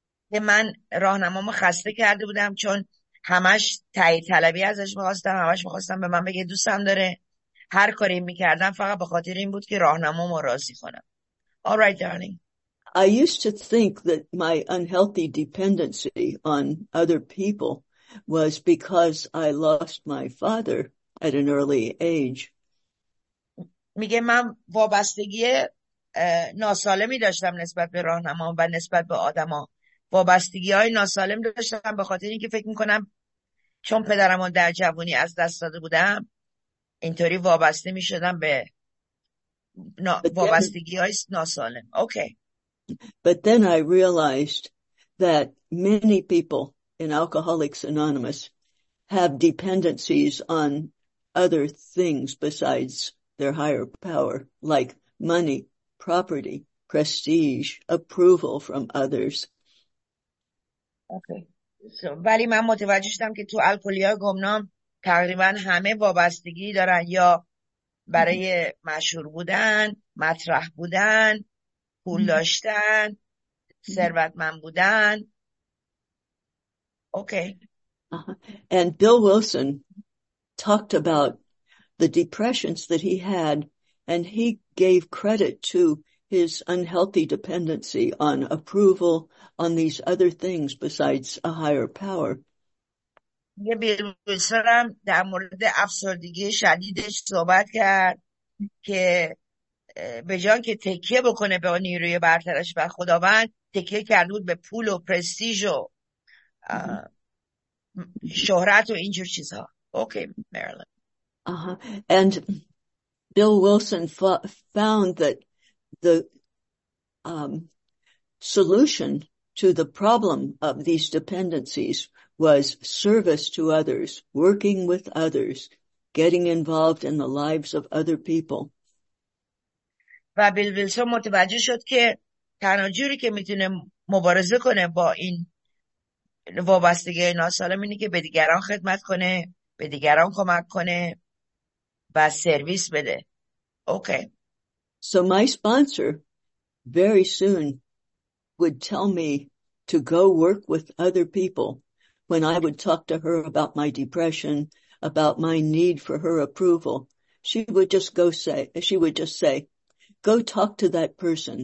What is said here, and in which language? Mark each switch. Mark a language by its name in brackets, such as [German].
[Persian] که من راهنمامو خسته کرده بودم چون همش تایید طلبی ازش میخواستم، همش میخواستم به من بگه دوستم داره. هر کاری میکردم فقط به خاطر این بود که راهنمامو راضی کنم. [English] All right, darling. I used to think that my unhealthy dependency on other people was because I lost my father at an early age. [Persian] میگه من وابستگی ناسالمی داشتم نسبت به راهنمام و نسبت به آدما، وابستگی های ناسالم داشتم به خاطر اینکه فکر میکنم چون پدرمو در جوانی از دست داده بودم اینطوری وابسته میشدم به وابستگی های ناسالم. [English] Okay. But then I realized that many people in Alcoholics Anonymous have dependencies on other things besides their higher power, like money, property, prestige, approval from others. Okay. [Persian] ولی من متوجه شدم که تو الکلیای گمنام تقریبا همه وابستگی دارن، یا برای مشهور بودن، مطرح بودن، پول داشتن، ثروتمند بودن. [English] Okay. And Bill Wilson talked about the depressions that he had, and he gave credit to his unhealthy dependency on approval, on these other things besides a higher power. [Persian] یه بیل ویلسون در مورد افسردگی شدیدش صحبت کرد که به جان که تکیه بکنه به نیروی برترش و خداوند، تکیه کرده بود به پول و پرستیژ و شهرت و اینجور چیزها. [English] Okay Marilyn. And Bill Wilson found that the solution to the problem of these dependencies was service to others, working with others, getting involved in the lives of other people. [Persian] و بیل ویلسون متوجه شد که تنها جوری که میتونه مبارزه کنه با این وابستگی ناسالم اینه که به دیگران خدمت کنه، به دیگران کمک کنه و سرویس بده. [English] Okay. So my sponsor very soon would tell me to go work with other people when I would talk to her about my depression, about my need for her approval. She would just say, go talk to that person.